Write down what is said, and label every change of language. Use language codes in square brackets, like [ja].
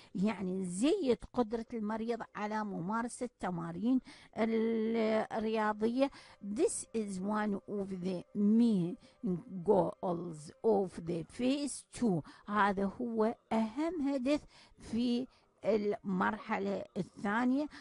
[ar] يعني نزيد قدرة المريض على ممارسة التمارين الرياضية. [en] This is one of the main goals of the phase 2. [ar] هذا هو أهم هدف في المرحلة الثانية.